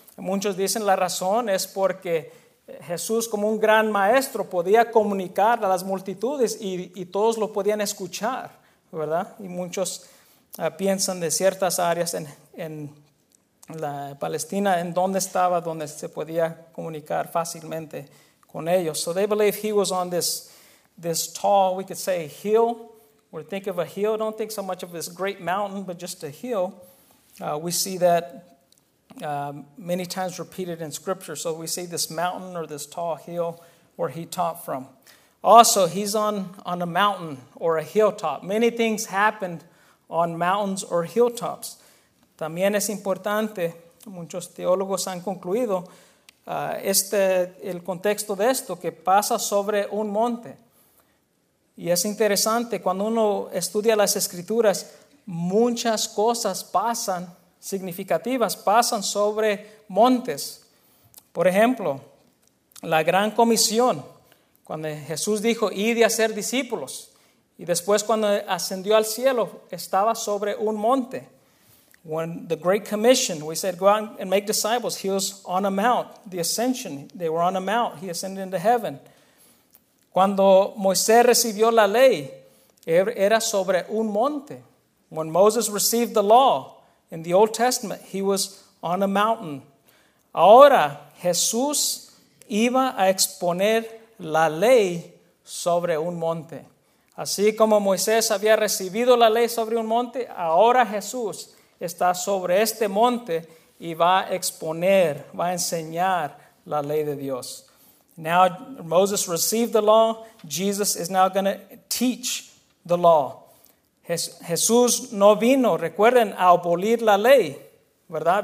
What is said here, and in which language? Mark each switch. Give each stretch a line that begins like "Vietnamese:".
Spanish: Muchos dicen la razón es porque Jesús, como un gran maestro, podía comunicar a las multitudes y todos lo podían escuchar, ¿verdad? Y muchos piensan de ciertas áreas en la Palestina, en dónde estaba, donde se podía comunicar fácilmente con ellos.
English: So they believe he was on this tall, we could say hill, or think of a hill. Don't think so much of this great mountain, but just a hill. We see that many times repeated in scripture. So we see this mountain or this tall hill where he taught from. Also, he's on a mountain or a hilltop. Many things happened on mountains or hilltops.
Spanish: También es importante, muchos teólogos han concluido, el contexto de esto, que pasa sobre un monte. Y es interesante, cuando uno estudia las escrituras, muchas cosas pasan, significativas, pasan sobre montes. Por ejemplo, la gran comisión, cuando Jesús dijo, id y hacer discípulos, y después cuando ascendió al cielo, estaba sobre un monte.
English: When the Great Commission, we said, go out and make disciples. He was on a mount, the ascension. They were on a mount. He ascended into heaven.
Spanish: Cuando Moisés recibió la ley, era sobre un monte.
English: When Moses received the law in the Old Testament, he was on a mountain.
Spanish: Ahora, Jesús iba a exponer la ley sobre un monte. Así como Moisés había recibido la ley sobre un monte, ahora Jesús está sobre este monte y va a exponer, va a enseñar la ley de Dios.
English: Now Moses received the law. Jesus is now going to teach the law.
Spanish: Jesús no vino, recuerden, a abolir la ley, ¿verdad?